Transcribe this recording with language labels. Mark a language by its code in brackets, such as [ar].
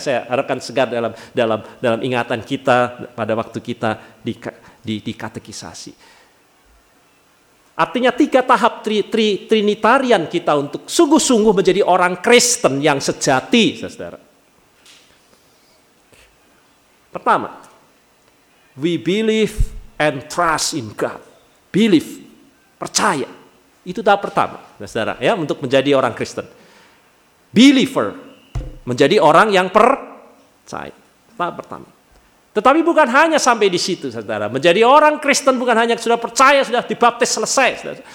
[id] Saya harapkan segar dalam ingatan kita pada waktu kita di katekisasi. Artinya tiga tahap trinitarian kita untuk sungguh-sungguh menjadi orang Kristen yang sejati, saudara. Pertama, [en] we believe and trust in God. [id] Believe, percaya. Itu tahap pertama, saudara, ya, untuk menjadi orang Kristen. Believer, menjadi orang yang percaya. Tahap pertama. Tetapi bukan hanya sampai di situ, saudara. Menjadi orang Kristen bukan hanya sudah percaya, sudah dibaptis, selesai.